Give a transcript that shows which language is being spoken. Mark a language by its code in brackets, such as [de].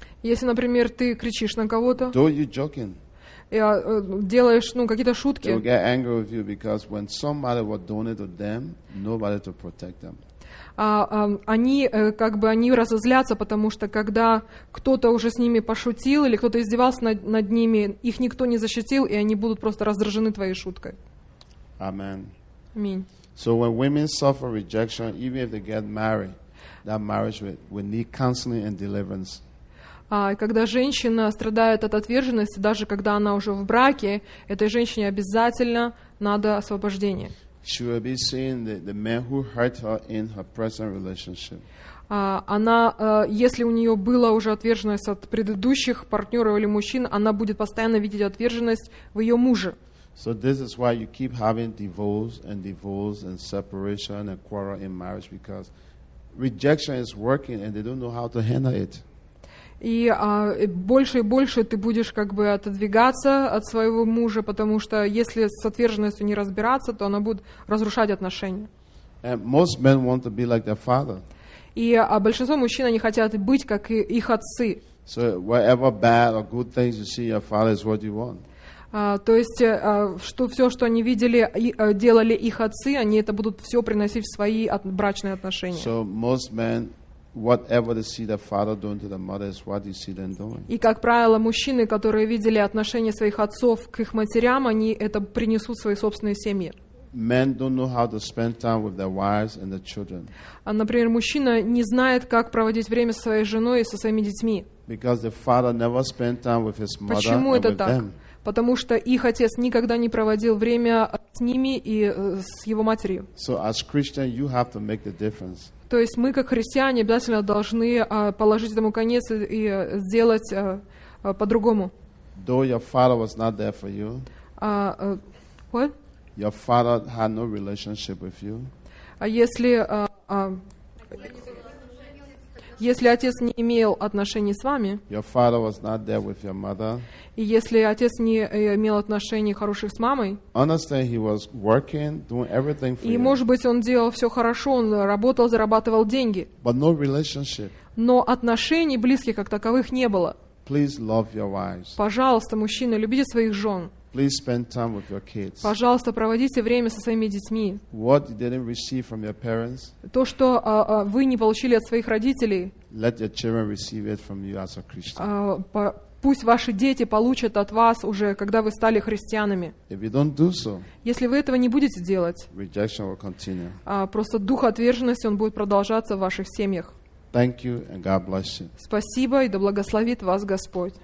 [ru] если, например, ты кричишь на кого-то, [en] though you're joking, [ru] и делаешь, ну, какие-то шутки, [en] they will get angry with you because when somebody was doing it to them, nobody to protect them. [ru] Они как бы они разозлятся, потому что когда кто-то уже с ними пошутил или кто-то издевался над ними, их никто не защитил, и они будут просто раздражены твоей шуткой. [en] Amen. Amen. So when women suffer rejection, even if they get married, that marriage will need counseling and deliverance. [ru] Когда женщина страдает от отверженности, даже когда она уже в браке, этой женщине обязательно надо освобождение. [en] She will be seeing the man who hurt her in her present relationship. [ru] Если у нее была уже отверженность от предыдущих партнеров или мужчин, она будет постоянно видеть отверженность в ее муже. [en] So this is why you keep having divorce and separation and quarrel in marriage, because rejection is working and they don't know how to handle it. [ru] И больше и больше ты будешь как бы отодвигаться от своего мужа, потому что если с отверженностью не разбираться, то она будет разрушать отношения. [en] And most men want to be like their father. [ru] И большинство мужчин они хотят быть как их отцы. [en] So whatever bad or good things you see your father is what you want. [ru] То есть, все, что они видели и делали их отцы, они это будут все приносить в свои брачные отношения. [en] So most men, whatever they see their father doing to their mother is what you see them doing. [ru] И, как правило, мужчины, которые видели отношения своих отцов к их матерям, они это принесут в свои собственные семьи. [en] Men don't know how to spend time with their wives and their children. [ru] Например, мужчина не знает, как проводить время со своей женой и со своими детьми. [en] Because the father never spent time with his mother [ru] them. Почему это так? Потому что их отец никогда не проводил время с ними и с его матерью. [en] So as Christian, you have to make the difference. [ru] То есть мы, как христиане, обязательно должны положить этому конец и сделать по-другому. [en] Though your father was not there for you, what? Your father had no relationship with you. [ru] А если... если отец не имел отношений с вами, [en] your father was not there with your mother, [ru] и если отец не имел отношений хороших с мамой, [en] understand he was working, doing everything for [ru] и, [en] you. [ru] Может быть, он делал все хорошо, он работал, зарабатывал деньги, [en] but no relationship. [ru] Но отношений близких как таковых не было. [en] Please love your wives. [ru] Пожалуйста, мужчины, любите своих жен. [en] Please spend time with your kids. [ru] Пожалуйста, проводите время со своими детьми. [en] What you didn't receive from your parents, [ru] то, что вы не получили от своих родителей, [en] let your children receive it from you as a Christian. [ru] Пусть ваши дети получат от вас уже, когда вы стали христианами. [en] If you don't do so, [ru] если вы этого не будете делать, [en] rejection will continue. [ru] Просто дух отверженности, он будет продолжаться в ваших семьях. [en] Thank you, and God bless you. [ru] Спасибо, и да благословит вас Господь.